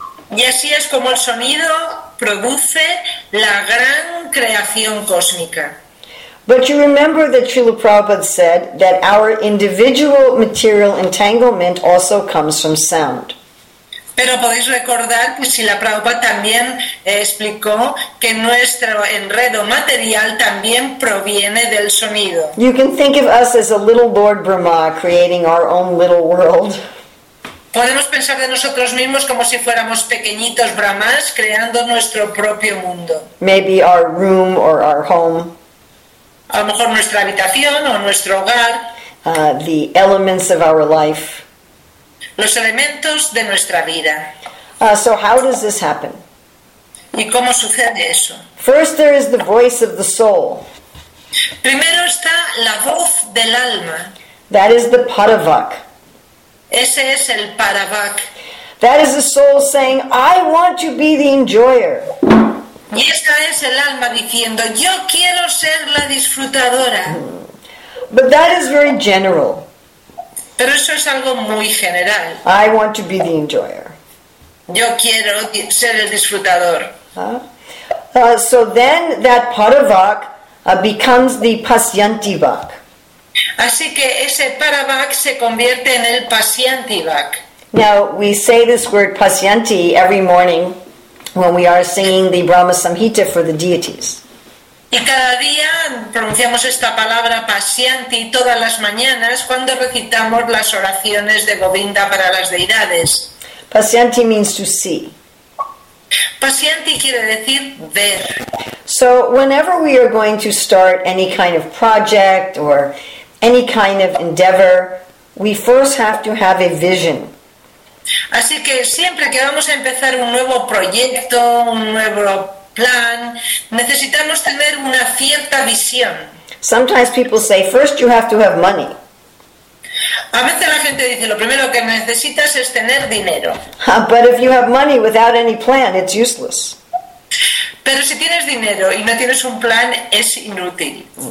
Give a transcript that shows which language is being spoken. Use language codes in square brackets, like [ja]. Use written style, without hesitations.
[es] Y así es como el sonido produce la gran creación cósmica. [en] But you remember that Srila Prabhupada said that our individual material entanglement also comes from sound. [es] Pero podéis recordar que Srila Prabhupada también explicó que nuestro enredo material también proviene del sonido. [en] You can think of us as a little Lord Brahma creating our own little world. [es] Podemos pensar de nosotros mismos como si fuéramos pequeñitos brahmas creando nuestro propio mundo. [en] Maybe our room or our home. [es] A lo mejor nuestra habitación o nuestro hogar. [en] The elements of our life. [es] Los elementos de nuestra vida. [en] So how does this happen? [es] ¿Y cómo sucede eso? [en] First there is the voice of the soul. [es] Primero está la voz del alma. [en] That is the Paravak. [es] Ese es el Paravak. [en] That is the soul saying, I want to be the enjoyer. [es] Y esta es el alma diciendo, yo quiero ser la disfrutadora. [en] But that is very general. [es] Pero eso es algo muy general. [en] I want to be the enjoyer. [es] Yo quiero ser el disfrutador. [en] So then that Paravak becomes the Pasyantivak. [es] Así que ese Paravak se convierte en el Pasyantivak. [en] Now, we say this word Pasyanti every morning when we are singing the Brahma Samhita for the deities. [es] Y cada día pronunciamos esta palabra Pasyanti todas las mañanas cuando recitamos las oraciones de Govinda para las deidades. [en] Pasyanti means to see. [es] Pasyanti quiere decir ver. [en] So, whenever we are going to start any kind of project or any kind of endeavor, we first have to have a vision. [es] Así que siempre que vamos a empezar un nuevo proyecto, un nuevo plan, necesitamos tener una cierta visión. [en] Sometimes people say, first you have to have money. [es] A veces la gente dice, lo primero que necesitas es tener dinero. [en] But if you have money without any plan, it's useless. [es] Pero si tienes dinero y no tienes un plan, es inútil.